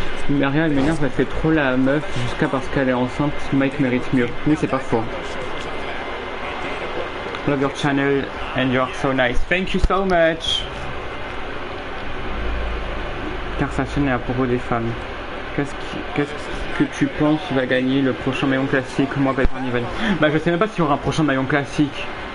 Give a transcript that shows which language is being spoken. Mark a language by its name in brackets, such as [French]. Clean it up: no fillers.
[French] Maria, elle m'énerve, elle fait trop la meuf jusqu'à parce qu'elle est enceinte. Mike mérite mieux. Oui, c'est pas faux. [English] Love your channel and you are so nice. Thank you so much. [French] Car sa chaîne est à propos des femmes. Qu'est-ce que tu penses qui va gagner le prochain maillon classique? Moi, Ben Ivan. Bah, je sais même pas s'il y aura un prochain maillon classique.